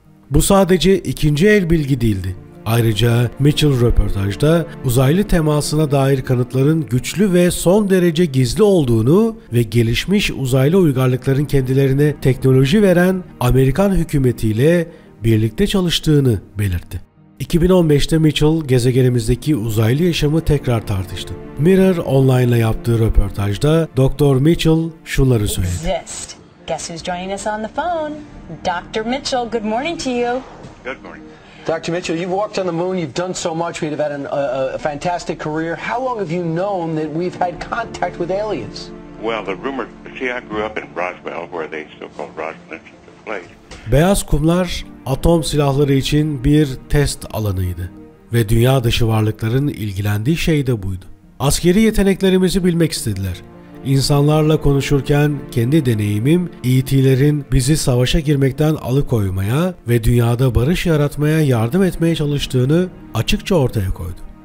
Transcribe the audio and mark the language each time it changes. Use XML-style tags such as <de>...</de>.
<tr>Bu sadece ikinci el bilgi değildi. Ayrıca Mitchell röportajda uzaylı temasına dair kanıtların güçlü ve son derece gizli olduğunu ve gelişmiş uzaylı uygarlıkların kendilerine teknoloji veren Amerikan hükümetiyle birlikte çalıştığını belirtti. 2015'te Mitchell gezegenimizdeki uzaylı yaşamı tekrar tartıştı. Mirror Online'la yaptığı röportajda Dr. Mitchell şunları söyledi.</tr> <en>Exist. Guess who's joining us on the phone? Dr. Mitchell, good morning to you. Good morning. Dr. Mitchell, you've walked on the moon, you've done so much, we've had a fantastic career. How long have you known that we've had contact with aliens? Well, the rumor, see I grew up in Roswell, where they so-called Roswell Institute played.</en> <tr>Beyaz kumlar, atom silahları için bir test alanıydı. Ve dünya dışı varlıkların ilgilendiği şey de buydu. Askeri yeteneklerimizi bilmek istediler. İnsanlarla konuşurken kendi deneyimim ET'lerin bizi savaşa girmekten alıkoymaya ve dünyada barış yaratmaya yardım etmeye çalıştığını açıkça ortaya koydu.</tr>